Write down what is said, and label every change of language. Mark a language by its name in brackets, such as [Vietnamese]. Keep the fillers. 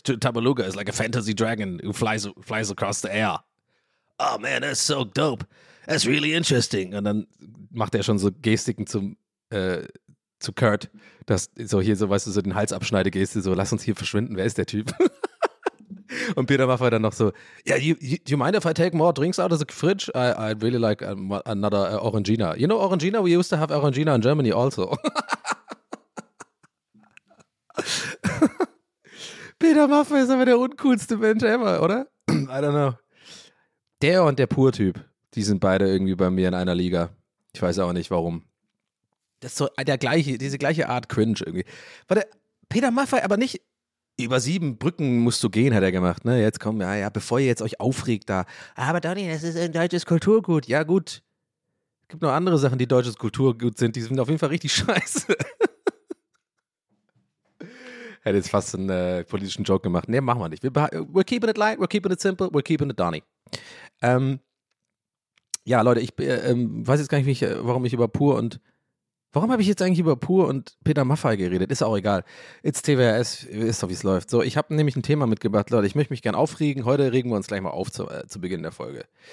[English] Tabaluga is like a fantasy dragon who flies flies across the air. Oh man, that's so dope. That's really interesting. [German] Und dann macht er schon so Gestiken zum uh, zu Kurt, dass so hier so weißt du so den Hals Geste so lass uns hier verschwinden. Wer ist der Typ? Und Peter Maffay dann noch so, [English] yeah, you, you, mind if I take more drinks out of the fridge? I, I really like another uh, Orangina. You know Orangina? We used to have Orangina in Germany also. [German] Peter Maffay ist aber der uncoolste Mensch ever, oder? [English] I don't know. [German] Der und der Pur-Typ, die sind beide irgendwie bei mir in einer Liga. Ich weiß auch nicht, warum. Das ist so der gleiche, diese gleiche Art Cringe irgendwie. Warte, Peter Maffay, aber nicht über sieben Brücken musst du gehen, hat er gemacht. Ne? Jetzt komm, ja, ja bevor ihr jetzt euch aufregt da. Aber Donny, das ist ein deutsches Kulturgut. Ja, gut. Es gibt noch andere Sachen, die deutsches Kulturgut sind. Die sind auf jeden Fall richtig scheiße. er hat jetzt fast einen äh, politischen Joke gemacht. Nee, machen wir nicht. [English] Wir we're keeping it light, we're keeping it simple, we're keeping it Donny. [German] Ähm, ja, Leute, ich äh, äh, weiß jetzt gar nicht, warum ich über Pur und. Warum habe ich jetzt eigentlich über Pur und Peter Maffay geredet? Ist auch egal. It's TWRS, wisst doch, wie es läuft. So, ich habe nämlich ein Thema mitgebracht, Leute. Ich möchte mich gerne aufregen. Heute regen wir uns gleich mal auf zu, äh, zu Beginn der Folge.